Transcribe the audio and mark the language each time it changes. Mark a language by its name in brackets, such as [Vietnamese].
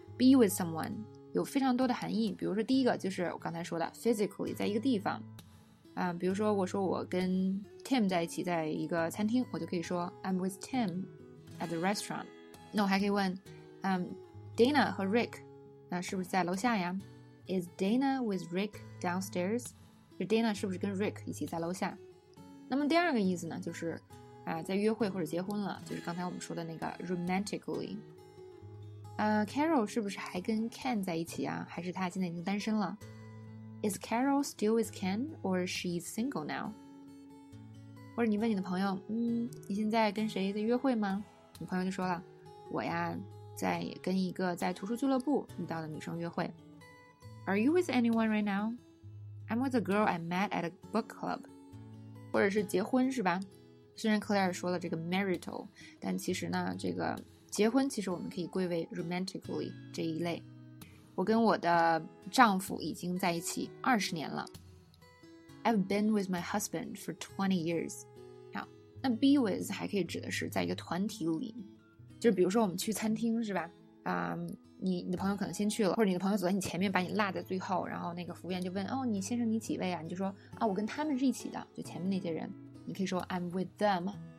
[Chinese] Be with someone 有非常多的含义，比如说第一个就是我刚才说的 physically 在一个地方，比如说我说我跟 Tim 在一起，在一个餐厅，我就可以说 [English] I'm with Tim at the restaurant。 [Chinese] 那我还可以问Dana 和 Rick 那是不是在楼下呀？ [English] Is Dana with Rick downstairs? [Chinese] 就 Dana 是不是跟 Rick 一起在楼下。那么第二个意思呢，就是在约会或者结婚了，就是刚才我们说的那个 romantically。 Carol 是不是还跟 Ken 在一起啊？还是他现在已经单身了？ [English] Is Carol still with Ken or she's single now? [Chinese] 或者你问你的朋友，你现在跟谁在约会吗？你朋友就说了，我呀，在跟一个在图书俱乐部遇到的女生约会。 [English] Are you with anyone right now? I'm with a girl I met at a book club。 [Chinese] 或者是结婚，是吧？虽然 Claire 说了这个 marital， 但其实呢这个结婚其实我们可以归为 romantically 这一类。我跟我的丈夫已经在一起20年了。 [English] I've been with my husband for 20 years。 [Chinese] 好，那 be with 还可以指的是在一个团体里，就比如说我们去餐厅，是吧？你的朋友可能先去了，或者你的朋友走在你前面把你落在最后，然后那个服务员就问，哦，你先生你几位啊，你就说啊，我跟他们是一起的，就前面那些人，你可以说 [English] I'm with them。